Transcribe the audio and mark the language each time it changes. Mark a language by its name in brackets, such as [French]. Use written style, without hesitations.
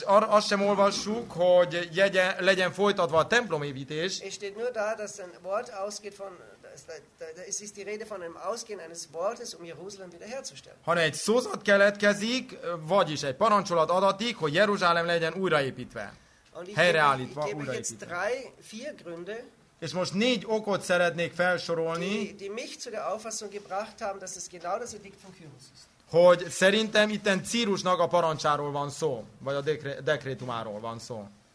[Hungarian] Azt sem olvassuk, hogy legyen folytatva a templomépítés. [German] Es steht nur da, dass ein Wort ausgeht von es ist die Rede von einem Ausgehen eines Wortes, um Jerusalem wiederherzustellen. [Hungarian] Hanem egy szózat keletkezik, vagyis egy parancsolat adatik, hogy Jeruzsálem legyen újraépítve, helyreállítva, újraépítve. [German] Jetzt drei, vier Gründe, [Hungarian] és most négy okot szeretnék felsorolni, [German] die mich zu der Auffassung gebracht haben, dass es genau das Edikt von Kyrus ist. [Hungarian] Hogy szerintem itten Círusnak a parancsáról van szó, vagy a dekrétumáról van szó.